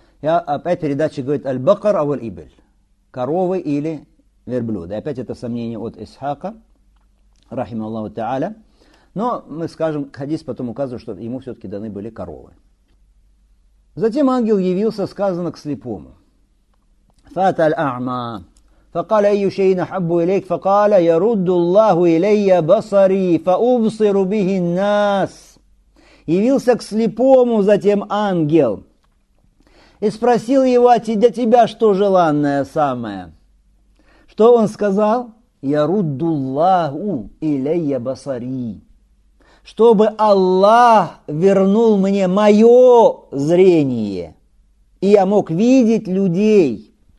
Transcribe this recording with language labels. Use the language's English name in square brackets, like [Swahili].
[Russian] И опять передача говорит, [Arabic] аль-бакар аваль-ибель, [Russian] коровы или верблюды. И опять это сомнение от Исхака, рахима Аллаху Тааля. Но мы скажем, хадис потом указывает, что ему все-таки даны были коровы. Затем ангел явился, сказано, к слепому. [Arabic] Фата аль-а'ма. فقال أي شيء أحب إليك فقال يرد الله إلي بصري فأبصر به الناس. [Russian] Явился к слепому затем ангел и спросил его, для тебя что желанное самое? Что он сказал? [Arabic] يرد الله إلي بصري. [Russian] Чтобы Аллах вернул мне мое зрение, и я мог видеть людей.